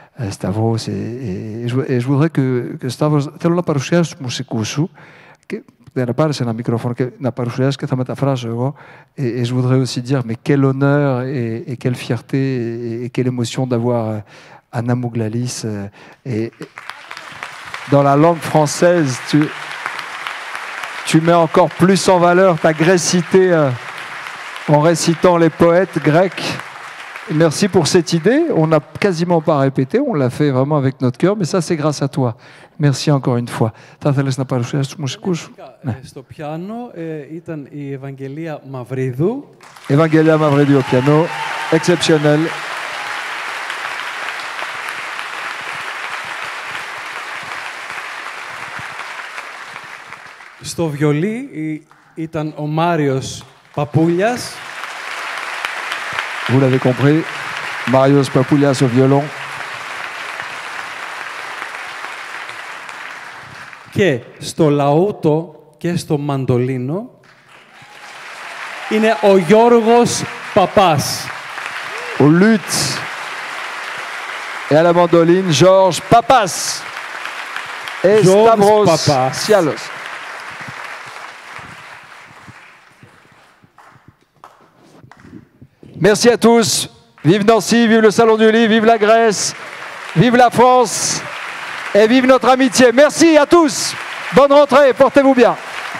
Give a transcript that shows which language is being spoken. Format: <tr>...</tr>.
<fr>Stavros, et je voudrais que Stavros,</fr> <el>θέλω να παρουσιάσω τους μουσικούς σου, και να πάρεις ένα μικρόφωνο και να παρουσιάσεις και θα μεταφράσω εγώ,</el> <fr>et je voudrais aussi dire, mais quel honneur et quelle fierté et quelle émotion d'avoir Anna Mouglalis et dans la langue française, tu mets encore plus en valeur ta grécité en récitant les poètes grecs. Merci pour cette idée. On n'a quasiment pas répété. On l'a fait vraiment avec notre cœur. Mais ça, c'est grâce à toi. Merci encore une fois.</fr> <el>Θα ήθελες να παρουσιάσεις τους μουσικούς σου. Στο πιάνο ήταν η Ευαγγελία Μαυρίδου. Ευαγγελία Μαυρίδου, ο πιάνο.</el> <fr>Εξεπιονέλ.</fr> <el>Στο βιολί ήταν ο Μάριος Παπούλιας.</el> <fr>Vous l'avez compris, Marios Papoulias au violon.</fr> <el>Και στο λαούτο και στο μαντολίνο είναι ο Γιώργος Παπάς.</el> <fr>Au luth et à la mandoline, Georges Papas. Et Stavros Sialos. Merci à tous. Vive Nancy, vive le Salon du Livre, vive la Grèce, vive la France et vive notre amitié. Merci à tous. Bonne rentrée, portez-vous bien.</fr>